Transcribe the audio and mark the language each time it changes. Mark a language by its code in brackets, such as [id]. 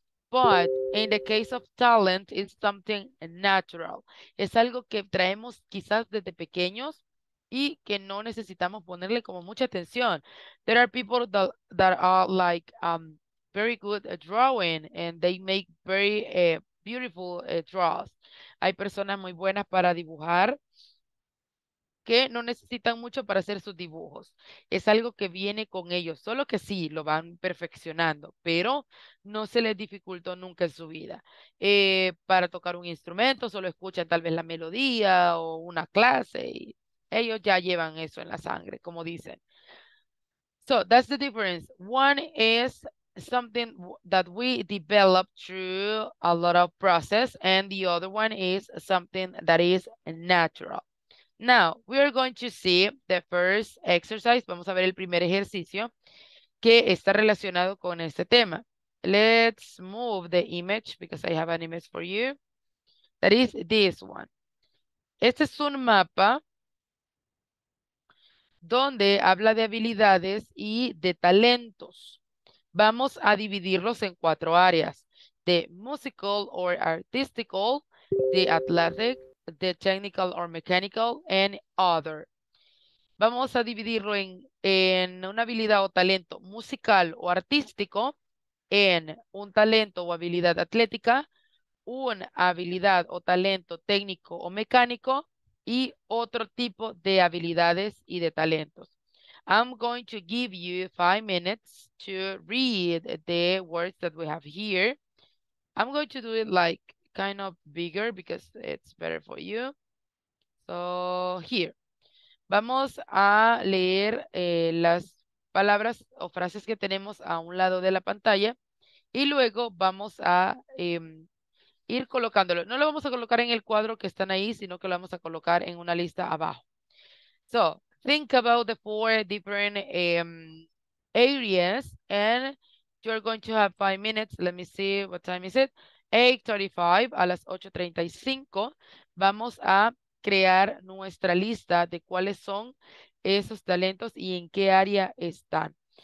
[en] But in the case of talent, it's something natural. [es] Es algo que traemos quizás desde pequeños y que no necesitamos ponerle como mucha atención. [en] There are people that are like very good at drawing and they make very beautiful draws. [es] Hay personas muy buenas para dibujar que no necesitan mucho para hacer sus dibujos. Es algo que viene con ellos, solo que sí, lo van perfeccionando, pero no se les dificultó nunca en su vida. Para tocar un instrumento, solo escuchan tal vez la melodía o una clase y ellos ya llevan eso en la sangre, como dicen. [en] So, that's the difference. One is something that we develop through a lot of process, and the other one is something that is natural. Now, we are going to see the first exercise. [es] Vamos a ver el primer ejercicio que está relacionado con este tema. [en] Let's move the image because I have an image for you. That is this one. [es] Este es un mapa donde habla de habilidades y de talentos. Vamos a dividirlos en cuatro áreas: [en] the musical or artistical, the athletic, the technical or mechanical, and other. [es] Vamos a dividirlo en una habilidad o talento musical o artístico, en un talento o habilidad atlética, una habilidad o talento técnico o mecánico, y otro tipo de habilidades y de talentos. [en] I'm going to give you 5 minutes to read the words that we have here. I'm going to do it like kind of bigger because it's better for you. So here, [es] vamos a leer las palabras o frases que tenemos a un lado de la pantalla y luego vamos a ir colocándolo. No lo vamos a colocar en el cuadro que están ahí, sino que lo vamos a colocar en una lista abajo. So, [en] think about the four different areas, and you're going to have 5 minutes. Let me see, what time is it? [es] 8:35, a las 8:35, vamos a crear nuestra lista de cuáles son esos talentos y en qué área están.